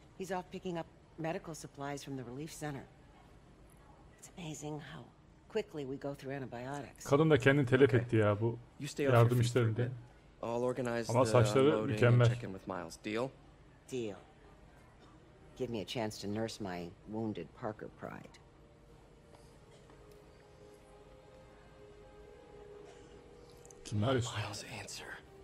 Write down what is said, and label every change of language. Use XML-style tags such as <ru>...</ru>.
<en>He's off picking up medical supplies from the relief center. It's amazing how quickly we go through antibiotics.</en> <tr>Kadın da kendini telef etti ya bu yardım işlerinde.</tr> <en>I'll organize the unloading and check in with Miles. Deal? Deal. Give me a chance to nurse my wounded Parkur pride. Miles' answer.</en>